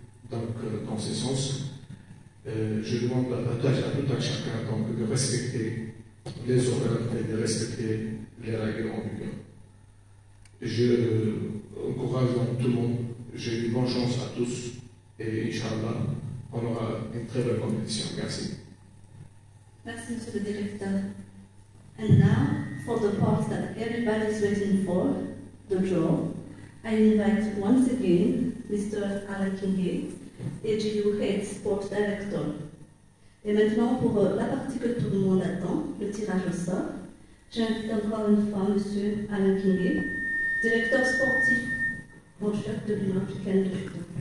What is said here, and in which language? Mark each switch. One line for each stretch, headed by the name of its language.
French: Donc, dans ce sens, je demande à tout un chacun donc, de respecter les horaires et de respecter les règles en vigueur. Je encourage donc tout le monde, j'ai eu bonne chance à tous et Inch'Allah, on aura une très belle compétition. Merci. Merci, Monsieur le Directeur.
English: And now, for the part that everybody is waiting for, the draw, I invite once again Mr. Alain Kingé, EGU Head Sport Director.
French: Et maintenant, pour la partie que tout le monde attend, le tirage au sort, j'invite encore une fois Monsieur Alain Kingé, Directeur Sportif en chef de l'Union africaine de judo.